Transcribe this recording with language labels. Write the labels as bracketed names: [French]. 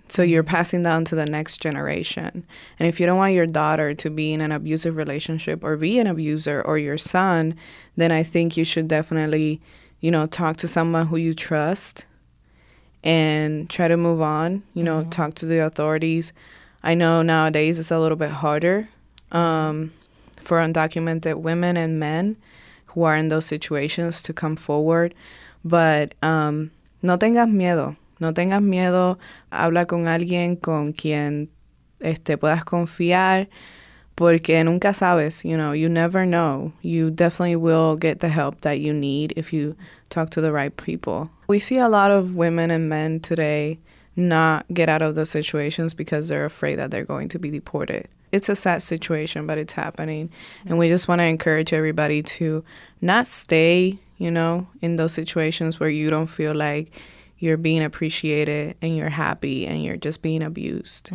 [English] So you're passing down to the next generation. And if you don't want your daughter to be in an abusive relationship or be an abuser, or your son, then I think you should definitely, you know, talk to someone who you trust and try to move on, you know, talk to the authorities. I know nowadays it's a little bit harder for undocumented women and men who are in those situations to come forward. [Spanish] But no tengas miedo. No tengas miedo, habla con alguien con quien puedas confiar, porque nunca sabes, [English] you know, you never know. You definitely will get the help that you need if you talk to the right people. We see a lot of women and men today not get out of those situations because they're afraid that they're going to be deported. It's a sad situation, but it's happening. And we just want to encourage everybody to not stay, you know, in those situations where you don't feel like you're being appreciated and you're happy and you're just being abused.